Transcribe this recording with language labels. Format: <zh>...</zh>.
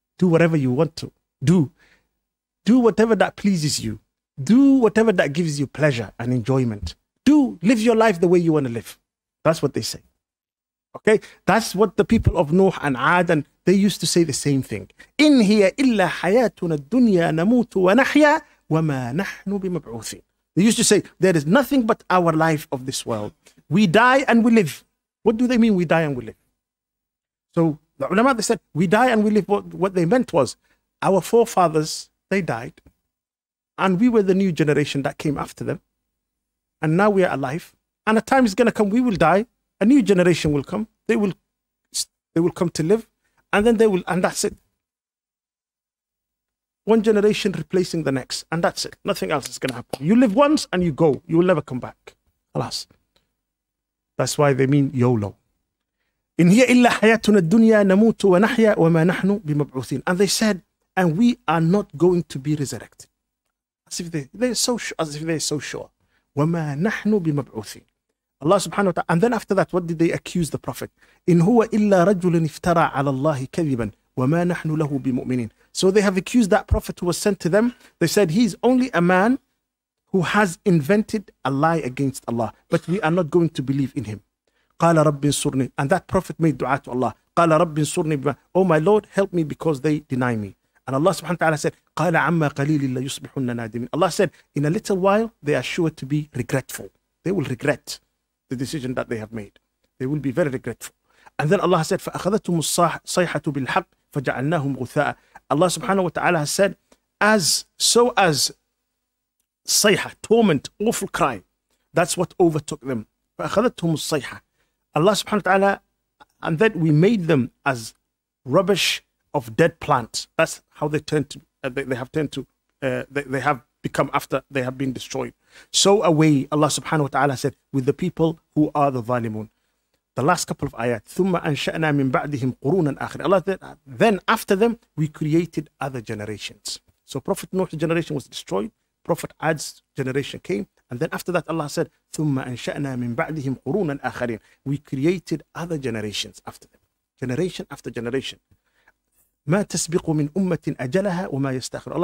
<en>Do whatever you want to do. Do whatever that pleases you. Do whatever that gives you pleasure and enjoyment. Do live your life the way you want to live. That's what they say. Okay? That's what the people of Nuh and Ad and they used to say the same thing.</en> <ar>إن هي إلا حياتنا الدنيا نموت ونحيا وما نحن بمبعوثين.</ar> <en>They used to say, there is nothing but our life of this world. We die and we live. What do they mean, we die and we live? So the ulama, they said, we die and we live. What they meant was, our forefathers, they died. And we were the new generation that came after them. And now we are alive. And a time is going to come, we will die. A new generation will come. They will come to live. And then they will, and that's it. One generation replacing the next. And that's it. Nothing else is going to happen. You live once and you go. You will never come back. Alas. That's why they mean YOLO.</en> <ar>إن هي إلا حياتنا الدنيا نموت ونحيا وما نحن بمبعوثين.</ar> <en>And they said, and we are not going to be resurrected. As if they're so sure.</en> <ar>وما نحن بمبعوثين.</ar> <en>Allah subhanahu wa ta'ala. And then after that, what did they accuse the Prophet?</en> <ar>إن هو إلا رجل افترى على الله كذبا وما نحن له بمؤمنين.</ar> <en>So they have accused that Prophet who was sent to them. They said, he's only a man who has invented a lie against Allah, but we are not going to believe in him.</en> <ar>قال رب انصرني.</ar> <en>And that Prophet made dua to Allah.</en> <ar>قال رب انصرني.</ar> <en>Oh my Lord, help me because they deny me. And Allah subhanahu wa ta'ala said,</en> <ar>قال عما قليل لا يصبحن نادمين.</ar> <en>Allah said, in a little while, they are sure to be regretful. They will regret the decision that they have made. They will be very regretful. And then Allah said,</en> <ar>فأخذتهم الصيحة بالحق فجعلناهم غثاء.</ar> <en>Allah subhanahu wa ta'ala has said, so as sayha, torment, awful cry, that's what overtook them.</en> <ar>فأخذتهم الصيحة.</ar> <en>Allah subhanahu wa ta'ala, and then we made them as rubbish of dead plants. That's how they turned to, they have become after they have been destroyed. So away, Allah subhanahu wa ta'ala said, with the people who are the zalimun. The last couple of ayat,</en> <ar>ثُمَّ أَنْشَأْنَا مِنْ بَعْدِهِمْ قُرُونًا آخِرِ.</ar> <en>Allah said, then after them, we created other generations. So Prophet Nuh's generation was destroyed. Prophet Ad's generation came. And then after that, Allah said,</en> <ar>ثُمَّ أَنْشَأْنَا مِنْ بَعْدِهِمْ قُرُونًا آخَرِينَ.</ar> <en>We created other generations after them. Generation after generation.</en> <ar>مَا تَسْبِقُ مِنْ أُمَّةٍ أَجَلَهَا وَمَا يَسْتَأْخِرُ.</ar>